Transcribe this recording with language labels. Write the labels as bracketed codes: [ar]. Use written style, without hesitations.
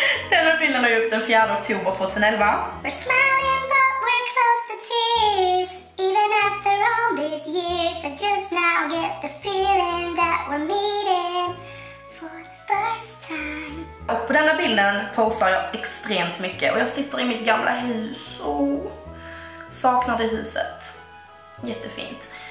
[sv] Denna bilden har jag upp den 4 oktober 2011. [en] We're smiling but we're close to tears. Even after all these years I just now get the feeling that we're meeting for the first time. [sv] Och på denna bilden posar jag extremt mycket, och jag sitter i mitt gamla hus och saknar det huset. Jättefint.